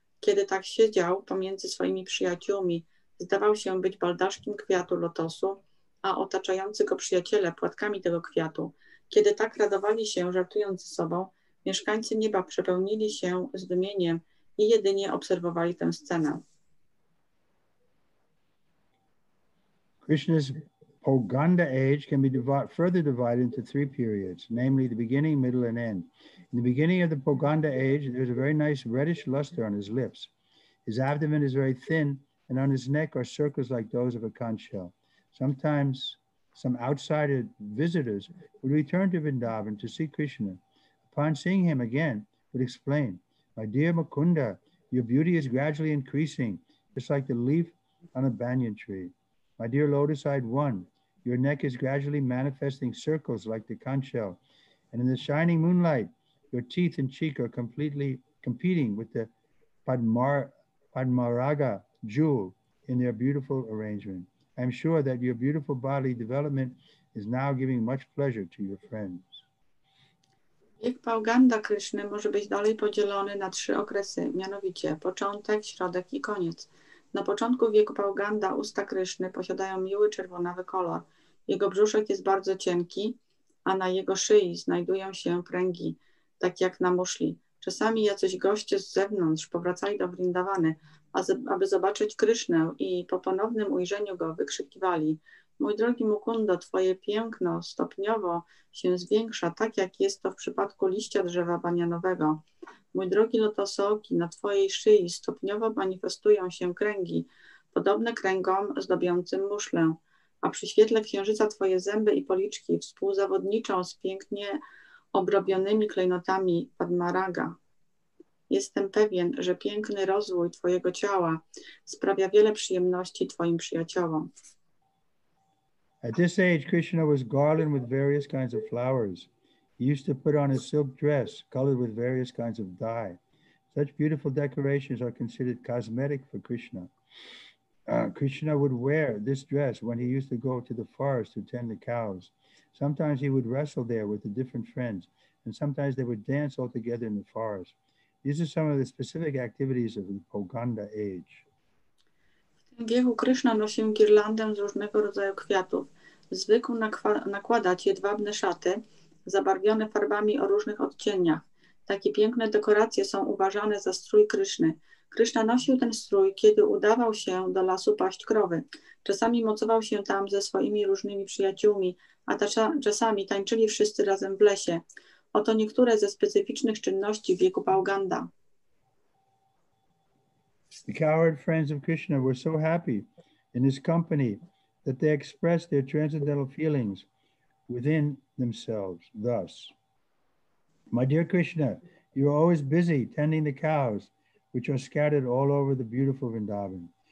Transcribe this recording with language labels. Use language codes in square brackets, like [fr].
[pl] Kiedy tak siedział pomiędzy swoimi przyjaciółmi, zdawał się być baldaszkiem kwiatu lotosu, a otaczający go przyjaciele płatkami tego kwiatu. Kiedy tak radowali się, żartując ze sobą, mieszkańcy nieba przepełnili się zdumieniem i jedynie obserwowali tę scenę." [en] Krishna's Poganda age can be further divided into three periods, namely the beginning, middle and end. In the beginning of the Poganda age, there's a very nice reddish luster on his lips. His abdomen is very thin and on his neck are circles like those of a conch shell. Sometimes some outside visitors would return to Vrindavan to see Krishna. Upon seeing him again, would explain, "My dear Mukunda, your beauty is gradually increasing, just like the leaf on a banyan tree. My dear lotus-eyed one, your neck is gradually manifesting circles like the conch shell. And in the shining moonlight, your teeth and cheek are completely competing with the Padmaraga jewel in their beautiful arrangement. I'm sure that your beautiful body development is now giving much pleasure to your friends." [pl] Wiek Pauganda Kryszny może być dalej podzielony na trzy okresy, mianowicie początek, środek i koniec. Na początku wieku Pauganda usta Kryszny posiadają miły czerwonawy kolor. Jego brzuszek jest bardzo cienki, a na jego szyi znajdują się pręgi, tak jak na muszli. Czasami jacyś goście z zewnątrz powracali do Brindawany, aby zobaczyć Krysznę i po ponownym ujrzeniu go wykrzykiwali: mój drogi Mukundo, twoje piękno stopniowo się zwiększa, tak jak jest to w przypadku liścia drzewa banianowego. Mój drogi lotosoki, na twojej szyi stopniowo manifestują się kręgi, podobne kręgom zdobiącym muszlę, a przy świetle księżyca twoje zęby i policzki współzawodniczą z pięknie obrobionymi klejnotami Padmaraga. Jestem pewien, że piękny rozwój twojego ciała sprawia wiele przyjemności twoim przyjaciołom. [en] At this age, Krishna was garlanded with various kinds of flowers. He used to put on a silk dress colored with various kinds of dye. Such beautiful decorations are considered cosmetic for Krishna. Krishna would wear this dress when he used to go to the forest to tend the cows. Sometimes he would wrestle there with the different friends, and sometimes they would dance all together in the forest. These are some of the specific activities of the Pauganda age. [pl] W tym wieku Krishna nosił girlandę z różnego rodzaju kwiatów. Zwykł nakładać jedwabne szaty zabarwione farbami o różnych odcieniach. Takie piękne dekoracje są uważane za strój Kryszny. Kryszna nosił ten strój, kiedy udawał się do lasu paść krowy. Czasami mocował się tam ze swoimi różnymi przyjaciółmi, a czasami tańczyli wszyscy razem w lesie. Oto niektóre ze specyficznych czynności w wieku Pauganda. [en] The cowherd friends of Krishna were so happy in his company that they expressed their transcendental feelings within themselves thus: my dear Krishna, you are always busy tending the cows, which are scattered all over the beautiful Vrindavan.